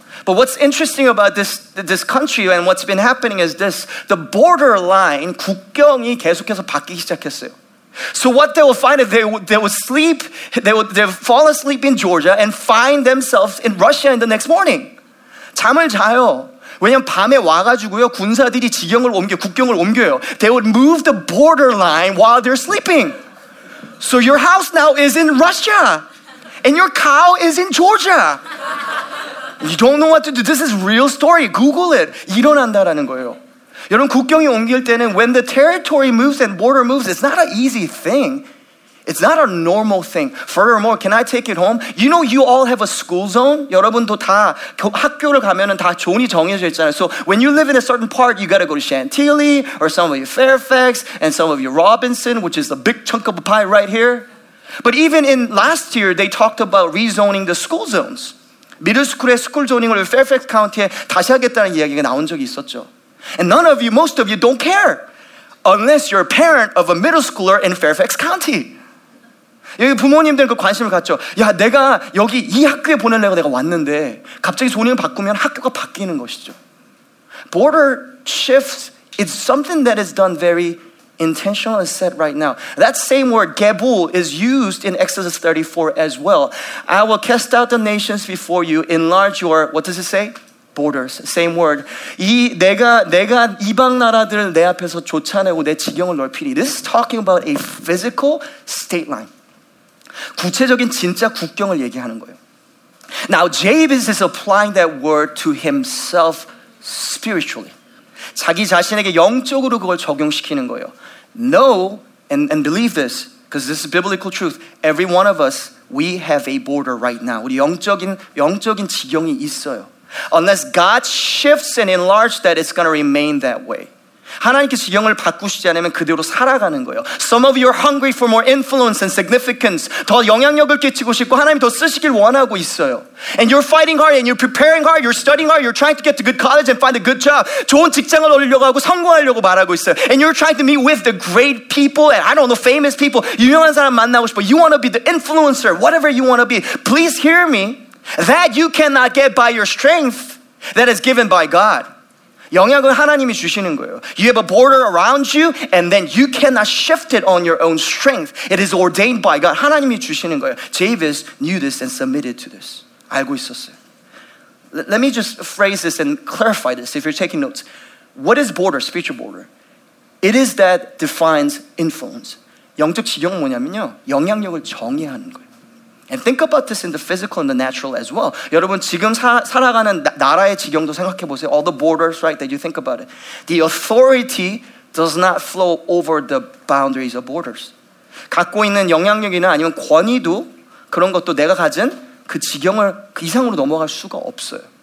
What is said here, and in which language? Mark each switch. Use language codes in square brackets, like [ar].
[en] But what's interesting about this country and what's been happening is this. [ko] The borderline, 국경이 계속해서 바뀌기 시작했어요. [en] So what they will find is they will fall asleep in Georgia and find themselves in Russia in the next morning. [ko] 잠을 자요. 왜냐면 밤에 와가지고요 군사들이 지경을 옮겨 국경을 옮겨요. [en] They would move the borderline while they're sleeping. So your house now is in Russia, and your cow is in Georgia. You don't know what to do. This is real story. Google it. [ko] 일어난다라는 거예요. 여러분 국경이 옮길 때는 [en] when the territory moves and border moves, it's not an easy thing. It's not a normal thing. Furthermore, can I take it home? You know you all have a school zone? [ko] 여러분도 다 학교를 가면은 다 존이 정해져 있잖아요. [en] So when you live in a certain part, you got to go to Chantilly or some of your Fairfax and some of your Robinson, which is a big chunk of the pie right here. But even in last year, they talked about rezoning the school zones. [ko] 미들스쿨의 스쿨 존잉을 Fairfax 카운티에 다시 하겠다는 이야기가 나온 적이 있었죠. [en] And none of you, most of you, don't care unless you're a parent of a middle schooler in Fairfax County. [ko] 여기 부모님들 그 관심을 갖죠. 야, 내가 여기 이 학교에 보내려고 내가 왔는데 갑자기 존잉을 바꾸면 학교가 바뀌는 것이죠. [en] Border shifts is something that is done very intentional and set right now. That same word, gebul, is used in Exodus 34 as well. I will cast out the nations before you, enlarge your, what does it say? borders. Same word. [ko] 이 내가 이방 나라들 내 앞에서 쫓아내고 내 지경을 넓히리. [en] This is talking about a physical state line. [ko] 구체적인 진짜 국경을 얘기하는 거예요. [en] Now, Jabez is applying that word to himself spiritually. [ko] 자기 자신에게 영적으로 그걸 적용시키는 거예요. [en] Know and believe this, because this is biblical truth. Every one of us, we have a border right now. [ko] 우리 영적인 지경이 있어요. [en] Unless God shifts and enlarges that, it's going to remain that way. [ko] 하나님께서 영을 바꾸시지 않으면 그대로 살아가는 거예요. [en] Some of you are hungry for more influence and significance. [ko] 더 영향력을 끼치고 싶고 하나님 더 쓰시길 원하고 있어요. [en] And you're fighting hard and you're preparing hard. You're studying hard. You're trying to get to good college and find a good job. [ko] 좋은 직장을 얻으려고 하고 성공하려고 말하고 있어요. [en] And you're trying to meet with the great people and I don't know, famous people. [ko] 유명한 사람 만나고 싶어. [en] You want to be the influencer, whatever you want to be. Please hear me. That you cannot get by your strength that is given by God. [ko] 영향을 하나님이 주시는 거예요. [en] You have a border around you and then you cannot shift it on your own strength. It is ordained by God. [ko] 하나님이 주시는 거예요. [en] Jabez knew this and submitted to this. [ko] 알고 있었어요. [en] Let me just phrase this and clarify this if you're taking notes. What is border, spiritual border? It is that defines influence. [ko] 영적 지경은 뭐냐면요. 영향력을 정의하는 거예요. [en] And think about this in the physical and the natural as well. [ko] 여러분, 지금 살아가는 나라의 지경도 생각해 보세요. [en] All the borders, right, that you think about it. The authority does not flow over the boundaries of borders. [ko] 갖고 있는 영향력이나 아니면 권위도 그런 것도 내가 가진 그 지경을 그 이상으로 넘어갈 수가 없어요.